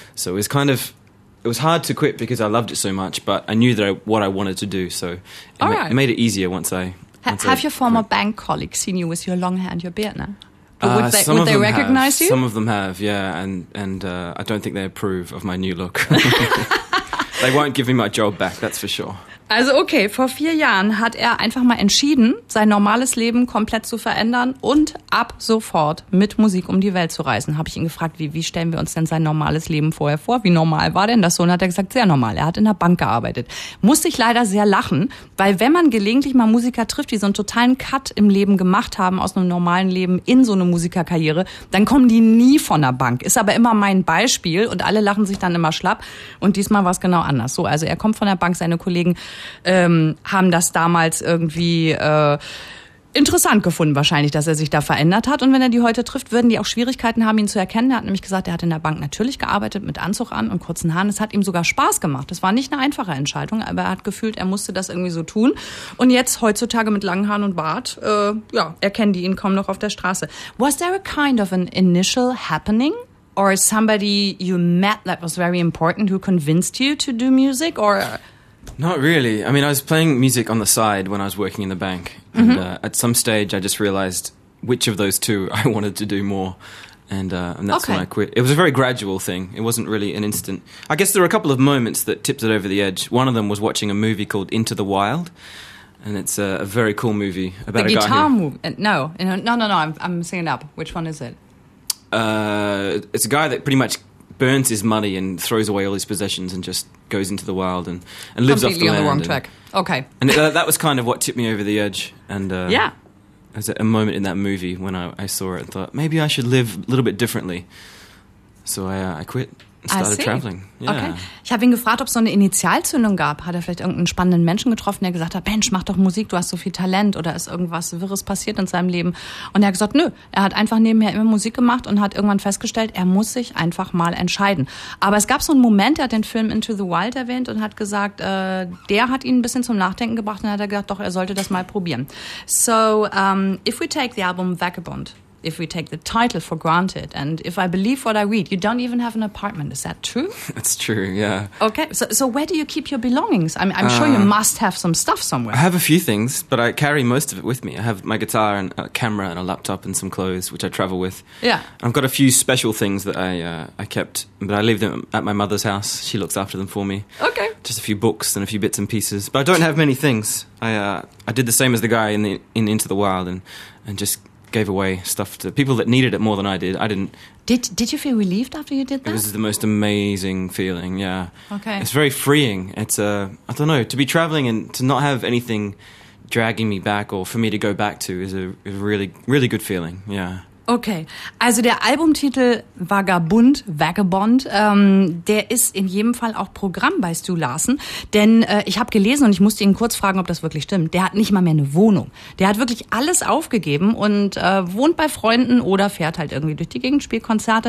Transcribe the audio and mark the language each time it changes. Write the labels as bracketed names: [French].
[English] So it was hard to quit because I loved it so much, but I knew what I wanted to do. So it made it easier once I... Have your former bank colleagues seen you with your long hair and your beard now? Would they recognize you? Some of them have, yeah. And I don't think they approve of my new look. They won't give me my job back, that's for sure. [German] Also okay, vor 4 Jahren hat er einfach mal entschieden, sein normales Leben komplett zu verändern und ab sofort mit Musik um die Welt zu reisen. Habe ich ihn gefragt, wie stellen wir uns denn sein normales Leben vorher vor? Wie normal war denn das so? Und hat er gesagt, sehr normal. Er hat in der Bank gearbeitet. Musste ich leider sehr lachen, weil wenn man gelegentlich mal Musiker trifft, die so einen totalen Cut im Leben gemacht haben aus einem normalen Leben in so eine Musikerkarriere, dann kommen die nie von der Bank. Ist aber immer mein Beispiel und alle lachen sich dann immer schlapp. Und diesmal war es genau anders. So, also er kommt von der Bank, seine Kollegen haben das damals irgendwie interessant gefunden wahrscheinlich, dass er sich da verändert hat. Und wenn er die heute trifft, würden die auch Schwierigkeiten haben, ihn zu erkennen. Er hat nämlich gesagt, er hat in der Bank natürlich gearbeitet mit Anzug an und kurzen Haaren. Es hat ihm sogar Spaß gemacht. Das war nicht eine einfache Entscheidung, aber er hat gefühlt, er musste das irgendwie so tun. Und jetzt heutzutage mit langen Haaren und Bart, erkennen die ihn kaum noch auf der Straße. [English] Was there a kind of an initial happening? Or somebody you met that was very important who convinced you to do music? Or... Not really. I mean, I was playing music on the side when I was working in the bank. And at some stage, I just realized which of those two I wanted to do more. And that's when I quit. It was a very gradual thing. It wasn't really an instant. I guess there were a couple of moments that tipped it over the edge. One of them was watching a movie called Into the Wild. And it's a very cool movie about the a guitar guy No. I'm singing it up. Which one is it? It's a guy that pretty much burns his money and throws away all his possessions and just goes into the wild and lives completely off the land. Completely on the wrong track. Okay. And that was kind of what tipped me over the edge. There was a moment in that movie when I saw it and thought, maybe I should live a little bit differently. So I quit and started traveling. Yeah. Okay. [German] Ich habe ihn gefragt, ob es so eine Initialzündung gab. Hat er vielleicht irgendeinen spannenden Menschen getroffen, der gesagt hat, Mensch, mach doch Musik, du hast so viel Talent oder ist irgendwas Wirres passiert in seinem Leben? Und er hat gesagt, nö, er hat einfach nebenher immer Musik gemacht und hat irgendwann festgestellt, er muss sich einfach mal entscheiden. Aber es gab so einen Moment, er hat den Film Into the Wild erwähnt und hat gesagt, der hat ihn ein bisschen zum Nachdenken gebracht und hat er gesagt, doch, er sollte das mal probieren. [English] So, if we take the album Vagabond, if we take the title for granted, and if I believe what I read, you don't even have an apartment. Is that true? That's true, yeah. Okay, so where do you keep your belongings? I'm sure you must have some stuff somewhere. I have a few things, but I carry most of it with me. I have my guitar and a camera and a laptop and some clothes, which I travel with. Yeah. I've got a few special things that I kept, but I leave them at my mother's house. She looks after them for me. Okay. Just a few books and a few bits and pieces, but I don't have many things. I did the same as the guy in Into the Wild and just... gave away stuff to people that needed it more than I did. I didn't. Did you feel relieved after you did that? It was the most amazing feeling, yeah. Okay. It's very freeing. It's, I don't know, to be traveling and to not have anything dragging me back or for me to go back to is a really, really good feeling, yeah. [German] Okay, also der Albumtitel Vagabund, Vagabond, der ist in jedem Fall auch Programm bei Stu Larsen, denn ich habe gelesen und ich musste ihn kurz fragen, ob das wirklich stimmt, der hat nicht mal mehr eine Wohnung. Der hat wirklich alles aufgegeben und wohnt bei Freunden oder fährt halt irgendwie durch die Gegend, spielt Konzerte.